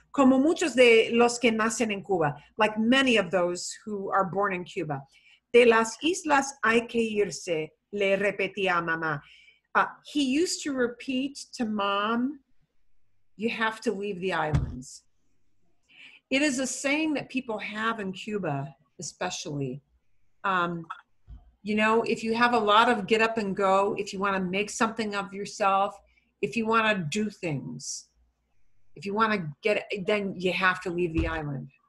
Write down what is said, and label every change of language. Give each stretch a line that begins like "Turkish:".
Spanish: Como muchos de los que nacen en Cuba.
English: Like many of those who are born in Cuba.
Spanish: De las islas hay que irse, le repetía a mamá.
English: He used to repeat to mom, you have to leave the islands. It is a saying that people have in Cuba, especially. You know, if you have a lot of get up and go, if you want to make something of yourself, if you want to do things, if you want to get, then you have to leave the island.